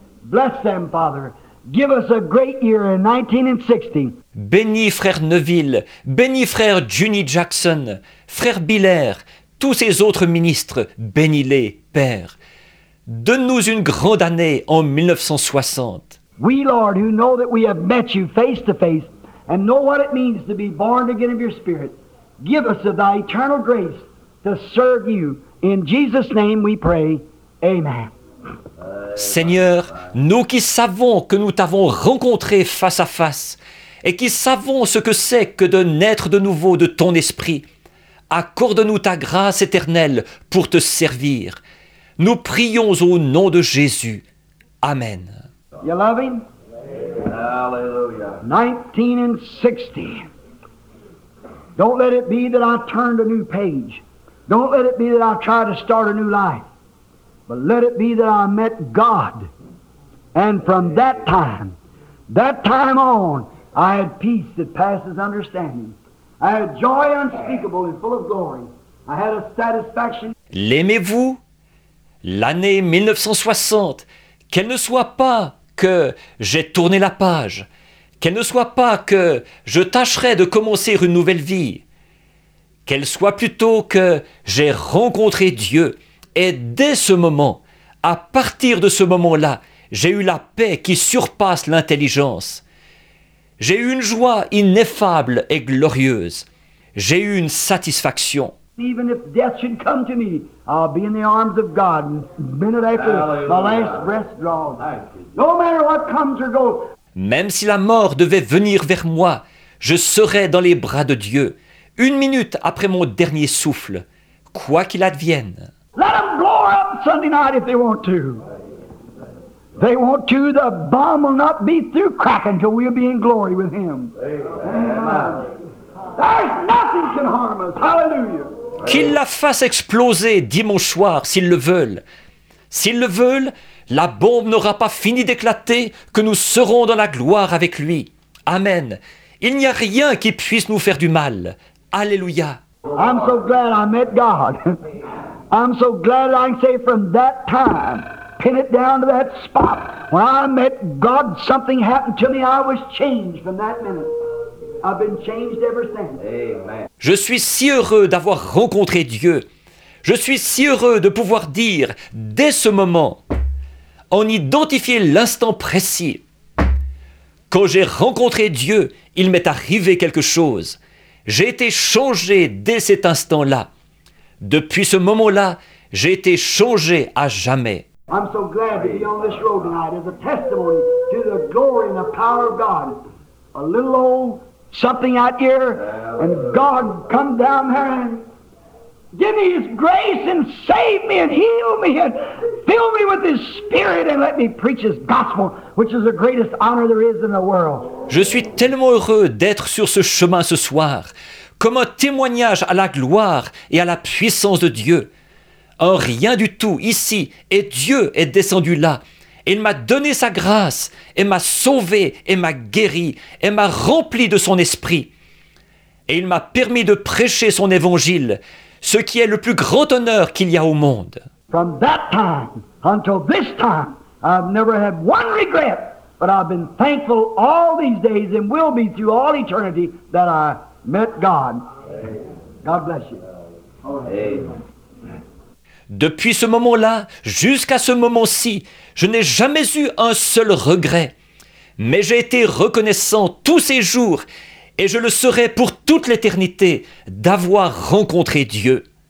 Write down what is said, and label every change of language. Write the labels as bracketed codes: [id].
[en] Bless them, Father. Give us a great year in 1960. [fr] Bénis Frère Neville, bénis Frère Junie Jackson, Frère Biller, tous ces autres ministres, bénis-les, Père. Donne-nous une grande année en 1960. [en] We, Lord, who know that we have met you face to face and know what it means to be born again of your Spirit, give us of thy eternal grace to serve you. In Jesus' name we pray. Amen. [fr] Seigneur, nous qui savons que nous t'avons rencontré face à face et qui savons ce que c'est que de naître de nouveau de ton esprit, accorde-nous ta grâce éternelle pour te servir. Nous prions au nom de Jésus. Amen. [en] You love him? Hallelujah. 1960. Don't let it be that I turned a new page. Don't let it be that I try to start a new life. But let it be that I met God. And from that time on, I had peace that passes understanding. I had joy unspeakable and full of glory. I had a satisfaction. [fr] L'aimez-vous? L'année 1960, qu'elle ne soit pas que j'ai tourné la page, qu'elle ne soit pas que je tâcherai de commencer une nouvelle vie, qu'elle soit plutôt que j'ai rencontré Dieu et dès ce moment, à partir de ce moment-là, j'ai eu la paix qui surpasse l'intelligence. J'ai eu une joie ineffable et glorieuse. J'ai eu une satisfaction. [en] even if death should come to me, I'll be in the arms of God and minute after my last breath draws. No matter what comes or goes. [fr] Même si la mort devait venir vers moi, je serai dans les bras de Dieu une minute après mon dernier souffle, quoi qu'il advienne. [en] Let them blow up Sunday night if they want to. They want to, the bomb will not be through cracking until we'll be in glory with him. There's nothing can harm us. Hallelujah. [fr] Qu'ils la fassent exploser dimanche soir s'ils le veulent. S'ils le veulent, la bombe n'aura pas fini d'éclater que nous serons dans la gloire avec lui. Amen. Il n'y a rien qui puisse nous faire du mal. Alléluia. [en] I'm so glad I met God. I'm so glad I can say from that time, pin it down to that spot. When I met God, something happened to me. I was changed from that minute. I've been changed ever since. Amen. [fr] Je suis si heureux d'avoir rencontré Dieu. Je suis si heureux de pouvoir dire, dès ce moment, en identifier l'instant précis, quand j'ai rencontré Dieu, il m'est arrivé quelque chose. J'ai été changé dès cet instant-là. Depuis ce moment-là, j'ai été changé à jamais. [en] I'm so glad to be on this road tonight as a testimony to the glory and the power of God. A little old something out here, and God come down there and give me his grace and save me and heal me and fill me with his spirit and let me preach his gospel, which is the greatest honor there is in the world. [fr] Je suis tellement heureux d'être sur ce chemin ce soir, comme un témoignage à la gloire et à la puissance de Dieu. En rien du tout ici, et Dieu est descendu là. Il m'a donné sa grâce, et m'a sauvé, et m'a guéri, et m'a rempli de son esprit. Et il m'a permis de prêcher son évangile, ce qui est le plus grand honneur qu'il y a au monde. [en] From that time until this time, I've never had one regret, but I've been thankful all these days and will be through all eternity that I met God. God bless you. Amen. [fr] Depuis ce moment-là, jusqu'à ce moment-ci, je n'ai jamais eu un seul regret. Mais j'ai été reconnaissant tous ces jours, et je le serai pour toute l'éternité, d'avoir rencontré Dieu.